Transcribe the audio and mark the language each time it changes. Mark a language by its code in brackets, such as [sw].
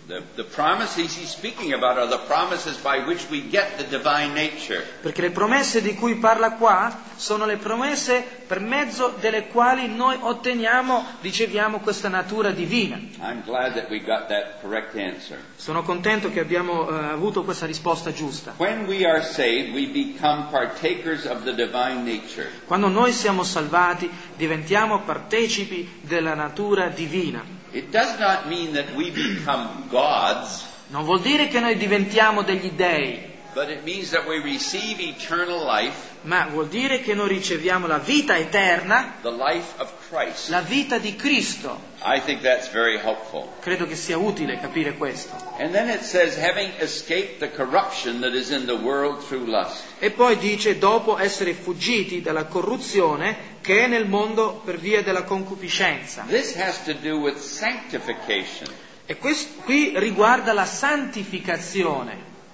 [en] The promises he's speaking about are the promises by which we get the divine nature. [it] Perché le promesse di cui parla qua sono le promesse per mezzo delle quali noi otteniamo, riceviamo questa natura divina. [en] I'm glad that we got that correct answer. [it] Sono contento che abbiamo avuto questa risposta giusta. [en] When we are saved, we become partakers of the divine nature. [it] Quando noi siamo salvati, diventiamo partecipi della natura divina. [en] It does not mean that we become gods. [it] Non vuol dire che noi diventiamo degli dèi. [en] But it means that we receive eternal life. [it] Ma vuol dire che noi riceviamo la vita eterna. [en] The life of Christ. [it] La vita di Cristo. [en] I think that's very helpful. [it] Credo che sia utile capire questo. [en] And then it says, having escaped the corruption that is in the world through lust. [it] E poi dice, dopo essere fuggiti dalla corruzione che è nel mondo per via della concupiscenza. [en] This has to do with sanctification. [it] E questo qui riguarda la santificazione.